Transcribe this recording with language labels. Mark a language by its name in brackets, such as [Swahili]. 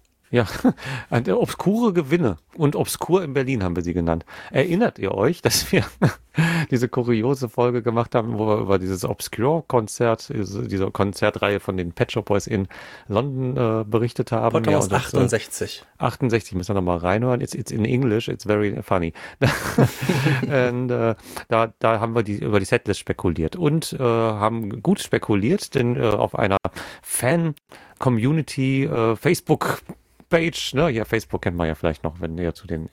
[German] Ja, obskure Gewinne und obskur in Berlin haben wir sie genannt. Erinnert ihr euch, dass wir diese kuriose Folge gemacht haben, wo wir über dieses Obscure-Konzert, diese Konzertreihe von den Pet Shop Boys in London berichtet haben? Ja, 68. 68, müssen wir nochmal reinhören. [English] It's in English, it's very funny. [German] Und da haben wir über die Setlist spekuliert und haben gut spekuliert, denn auf einer Fan-Community-Facebook- Page, ne? Ja, Facebook kennt man ja vielleicht noch, wenn ihr zu den